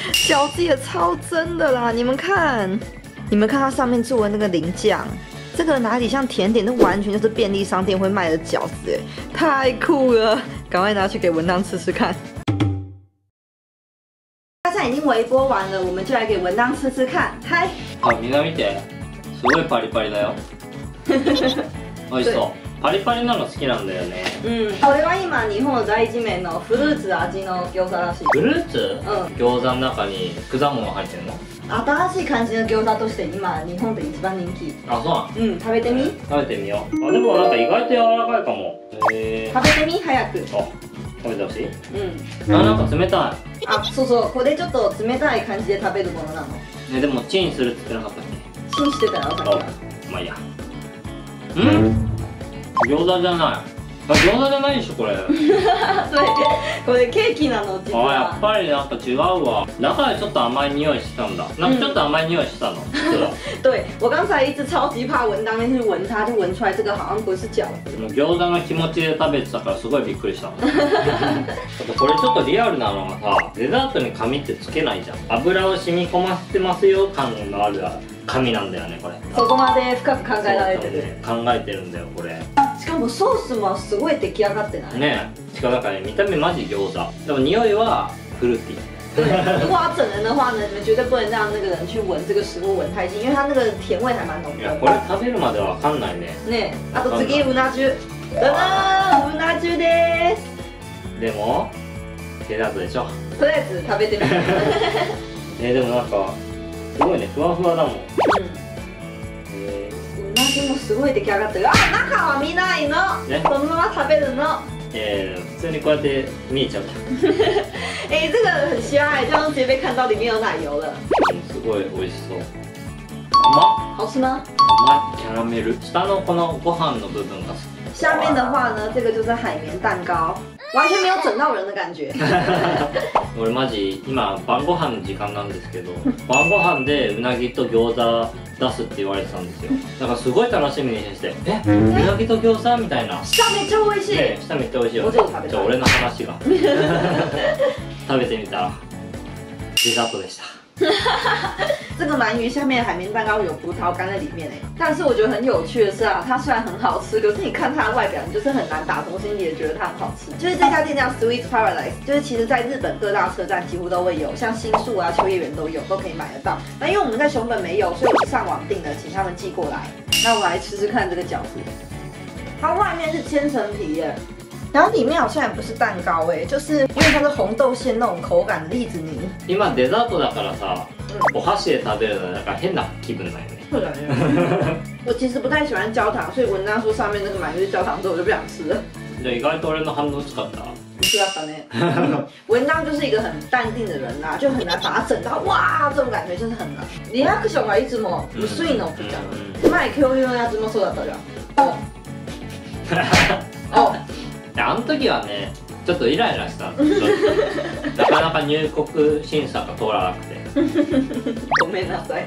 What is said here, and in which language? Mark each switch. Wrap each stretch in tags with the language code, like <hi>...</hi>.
<zh>饺子也超真的啦，你们看，你们看它上面做的那个淋酱，这个哪里像甜点，那完全就是便利商店会卖的饺子，哎，太酷了，赶快拿去给文当吃吃看。已经微波完了，我们就来给文当吃吃看。嗨，</zh> <ja>啊，みんな見て、すごいパリパリだよ。おいしそう。パリパリなの好きなんだよね。嗯，これは今日本第一名のフルーツ味の餃子らしい。フルーツ？嗯。餃子の中に果物入ってるの？新しい感じの餃子として今日本で一番人気。あ、そうなん。うん、食べてみ。食べてみよう。あ、でもなんか意外と柔らかいかも。食べてみ早く。あ、食べてほしい。うん。あ、なんか冷たい。あ、そうそう、これちょっと冷たい感じで食べるものなの。ね、でもチンするって言ってなかったっけ。チンしてたよ、さっき。まあいいや。うん？餃子じゃない。あ、餃子じゃないでしょこれ。これケーキなの実は。あ、やっぱりなんか違うわ。中でちょっと甘い匂いしたんだ。なんかちょっと甘い匂いしたの。</ja> <zh>对，我刚才一直超级怕闻，当天去闻它，就闻出来这个好像不是饺子。</zh> <ja>もう餃子の気持ちで食べてたからすごいびっくりした。あとこれちょっとリアルなのがさ、デザートに紙ってつけないじゃん。油を染み込ませてますよ感のある紙なんだよねこれ。そこまで深く考えられてる。考えてるんだよこれ。しかもソースもすごい出来上がってない。ね、しかもなんかね見た目マジ餃子、でも匂いはフルーティー。</ja> <zh>对，如果要整人的话呢，你们绝对不能让那个人去闻这个食物闻太近，因为它那个甜味还蛮浓的。</zh> <ja>これ食べるまでわかんないね。ね、あと次うな重、噔噔，うな重です。でも、デザートでしょ。とりあえず食べてみて。え、でもなんかすごいね、ふわふわだもん。うな重もすごい出来上がってる。あ、中は見ないの。ね、そのまま食べるの。普通にこうやって見えちゃうか。</ja> <zh>哎，这个很香哎，这样直接被看到里面有奶油了。</zh> <ja>嗯，すごい美味しそう。甘。</ja> <zh>好吃吗？</zh> <ja>甘いキャラメル。下のこのご飯の部分が。</ja> <zh>下面的话呢，这个就是海绵蛋糕，完全没有整到人的感觉。</zh> <ja>我マジ今晩ご飯の時間なんですけど、晩ご飯でうなぎと餃子出すって言われてたんですよ。だからすごい楽しみにして、え、うなぎと餃子みたいな。下めっちゃ美味しい。ね、下めっちゃ美味しいよ。じゃあ俺の話が。食べてみたらデザートでした。</ja> <zh>这个鳗鱼下面海绵蛋糕有葡萄干在里面哎，但是我觉得很有趣的是啊，它虽然很好吃，可是你看它的外表，你就是很难打从心底的觉得它很好吃。就是这家店叫 Sweet Paradise， 就是其实在日本各大车站几乎都会有，像新宿啊、秋叶原都有，都可以买得到。那因为我们在熊本没有，所以我上网订的，请他们寄过来。那我来吃吃看这个饺子，它外面是千层皮耶。然后里面好像也不是蛋糕哎，就是因为它是红豆馅那种口感的栗子泥。</zh> <ja>今デザートだからさ、お箸で食べるのなんか変な気分だよね。</ja> <zh>我其实不太喜欢焦糖，所以文章说上面那个鳗鱼是焦糖之后，我就不想吃了。</zh> <ja>で意外と俺の反応使った。使ったね。</ja> <zh>文章就是一个很淡定的人啦，就很难把它整到哇这种感觉，就是很难。</zh> <ja>リアクションはいつも薄いの、じゃん。前共有のやつもそうだったじゃん。お。お。あの時はね、ちょっとイライラしたなかなか入国審査が通らなくてごめんなさい。</ja>